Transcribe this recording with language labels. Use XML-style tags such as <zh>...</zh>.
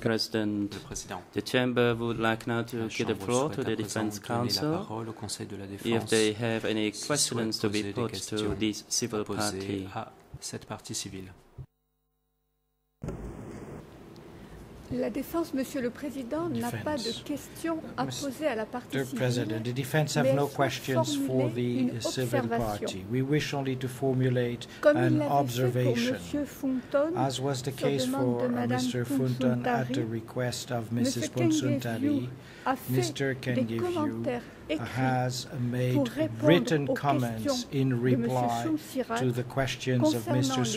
<en>President, the Chamber would like now to give the floor to the Defense Council if they have any questions to be put to this civil party.</en> <fr>Cette partie civile. La défense, Monsieur le Président, n'a pas de questions à poser à la partie civile.</fr> <en>Mr. President, the defense have no questions for the civil party. We wish only to formulate an observation, as was the case for Mr. Funton at the request of Mrs. Ponsuntari. Mr. Kengifu has made written comments in reply to the questions of Mr.</en>